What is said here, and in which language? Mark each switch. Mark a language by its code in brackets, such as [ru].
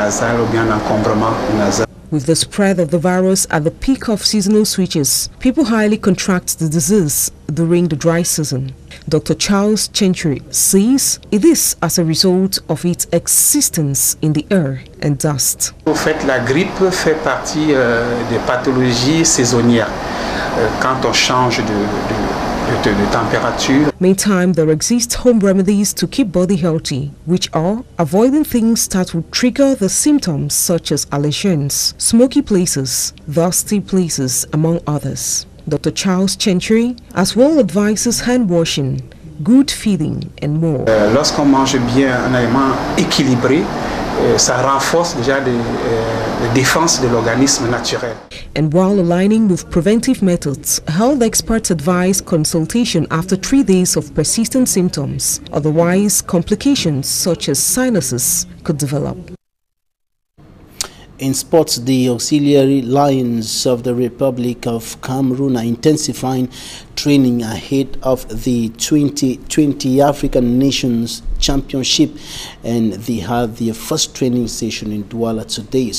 [en] With the spread of the virus at the peak of seasonal switches, people highly contract the disease during the dry season. Dr. Charles Chantry says it is as a result of its existence in the air and dust. [fr] En fait, la grippe fait partie des pathologies saisonnières quand on change de température. [en] Meantime, there exist home remedies to keep body healthy, which are avoiding things that would trigger the symptoms such as allergens, smoky places, dusty places, among others. Dr. Charles Chantry as well advises hand washing, good feeding, and more. [fr] Lorsqu'on mange bien un aliment équilibré, ça renforce déjà la défense de l'organisme naturel. [en] And while aligning with preventive methods, health experts advise consultation after 3 days of persistent symptoms. Otherwise, complications such as sinuses could develop. In sports, the Auxiliary Lions of the Republic of Cameroon are intensifying training ahead of the 2020 African Nations Championship, and they had their first training session in Douala today.